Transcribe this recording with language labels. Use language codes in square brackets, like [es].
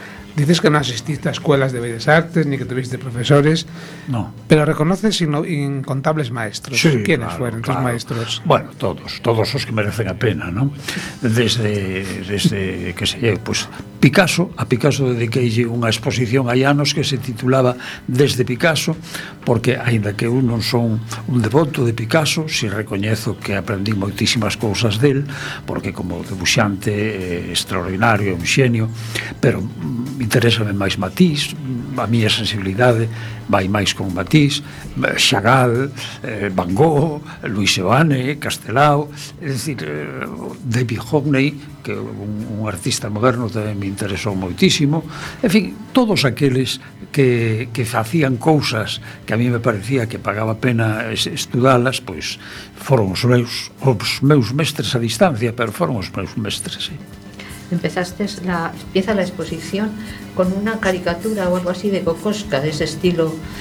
[es] Dices que non asististe a escuelas de Bellas Artes, ni que tuviste profesores. No. Pero reconoces incontables maestros. Sí, ¿quiénes claro, fueron claro. Tus maestros? [gl] Bueno, todos os que merecen a pena, ¿no? Desde que se lle, pues Picasso, a Picasso dediqueille unha exposición hai anos que se titulaba Desde Picasso, porque aínda que eu non son un devoto de Picasso, si recoñezo que aprendí moitísimas cousas del, porque como debuxante extraordinario, un xenio, pero interésame máis Matisse, a miña sensibilidade vai máis con Matisse, Chagall, Van Gogh, Luis Seoane, Castelao, é dicir, David Hockney, que un artista moderno tamén me interesou moitísimo, en fin, todos aqueles que facían cousas que a mí me parecía que pagaba pena estudalas, pois foron os meus mestres a distancia, pero foron os meus mestres, sí. [es] Empezaste la exposición con una caricatura o algo así de Kokoschka, de ese estilo.